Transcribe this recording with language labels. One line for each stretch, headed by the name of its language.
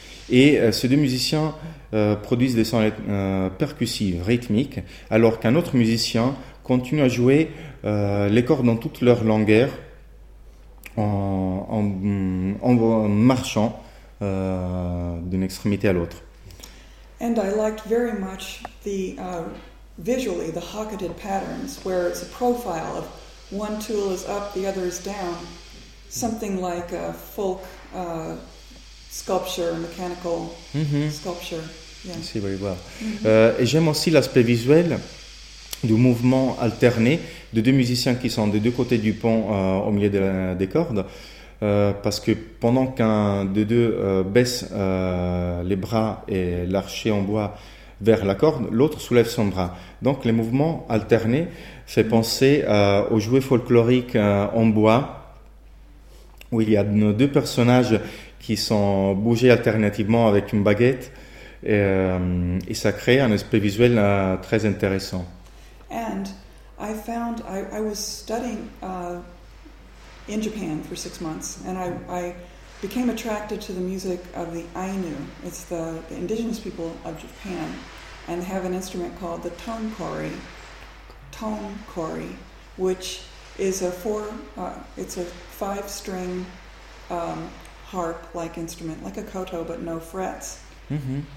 French: Et ces deux musiciens produisent des sons percussifs, rythmiques, alors qu'un autre musicien continue à jouer les cordes dans toute leur longueur en marchant d'une extrémité à l'autre.
English: And I liked very much the visually the hocketed patterns where it's a profile of one tool is up, the other is down, something like a folk sculpture, mechanical mm-hmm. sculpture. Yeah. I see very well.
French: Et j'aime aussi l'aspect visuel du mouvement alterné de deux musiciens qui sont des deux côtés du pont au milieu des cordes, parce que pendant qu'un de deux baisse les bras et l'archet en bois vers la corde, l'autre soulève son bras. Donc les mouvements alternés fait penser aux jouets folkloriques en bois, où il y a nos deux personnages qui sont bougés alternativement avec une baguette, et ça crée un aspect visuel très intéressant.
English: And I found I was studying in Japan for 6 months, and I became attracted to the music of the Ainu. It's the indigenous people of Japan, and they have an instrument called the tonkori, which is a five-string harp-like instrument, like a koto, but no frets, mm-hmm.